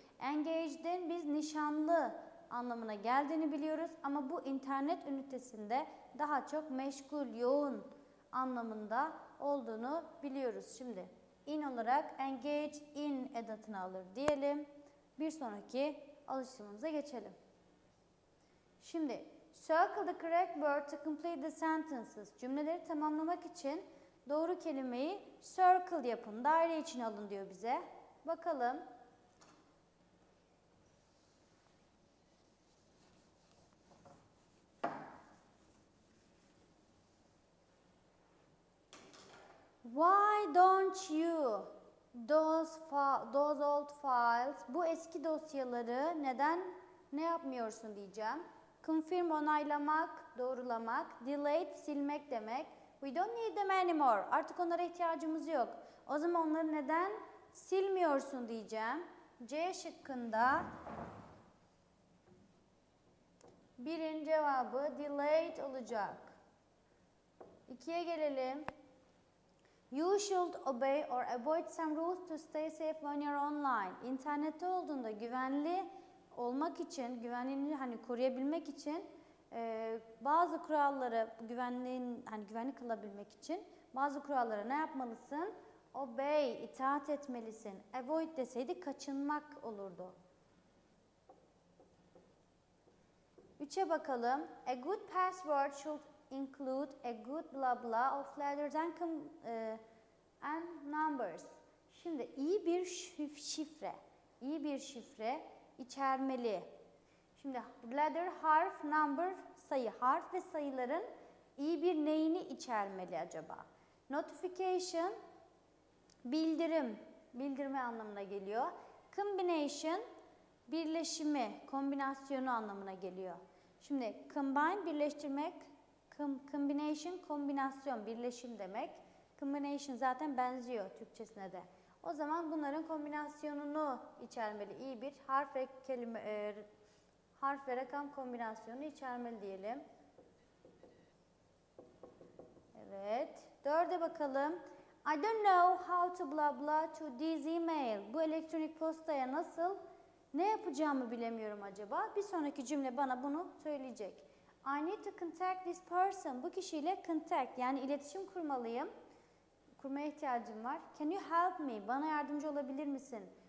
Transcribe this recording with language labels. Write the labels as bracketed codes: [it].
[tr] Engaged'in biz nişanlı anlamına geldiğini biliyoruz. Ama bu internet ünitesinde daha çok meşgul, yoğun anlamında olduğunu biliyoruz. Şimdi in olarak engaged in edatını alır diyelim. Bir sonraki alışımımıza geçelim. [en] Şimdi circle the correct word to complete the sentences. [tr] Cümleleri tamamlamak için doğru kelimeyi circle yapın, daire içine alın diyor bize. Bakalım. [en] Why don't you those old files? [tr] Bu eski dosyaları neden ne yapmıyorsun diyeceğim. Confirm onaylamak, doğrulamak, delete silmek demek. [en] We don't need them anymore. [tr] Artık onlara ihtiyacımız yok. O zaman onları neden silmiyorsun diyeceğim. C şıkkında birin cevabı delete olacak. 2'ye gelelim. [en] You should obey or avoid some rules to stay safe when you're online. [tr] İnternette olduğunda güvenli olmak için, güvenliğini hani koruyabilmek için bazı kuralları, güvenliğin hani güvenli kılabilmek için bazı kurallara ne yapmalısın? Obey, itaat etmelisin. Avoid deseydi kaçınmak olurdu. 3'e bakalım. [en] A good password should include a good blah blah of letters and numbers. [tr] Şimdi iyi bir şifre, iyi bir şifre içermeli. Şimdi letter, harf, number, sayı. Harf ve sayıların iyi bir neyini içermeli acaba? Notification, bildirim, bildirme anlamına geliyor. Combination, birleşimi, kombinasyonu anlamına geliyor. Şimdi combine, birleştirmek. Combination, kombinasyon, birleşim demek. Combination zaten benziyor Türkçesine de. O zaman bunların kombinasyonunu içermeli. İyi bir harf ve kelime, harf ve rakam kombinasyonu içermeli diyelim. Evet. 4'e bakalım. [en] I don't know how to blah blah to this email. [tr] Bu elektronik postaya nasıl, ne yapacağımı bilemiyorum acaba? Bir sonraki cümle bana bunu söyleyecek. [en] I need to contact this person. [tr] Bu kişiyle contact, yani iletişim kurmalıyım. Kurmaya ihtiyacım var. [en] Can you help me? [tr] Bana yardımcı olabilir misin?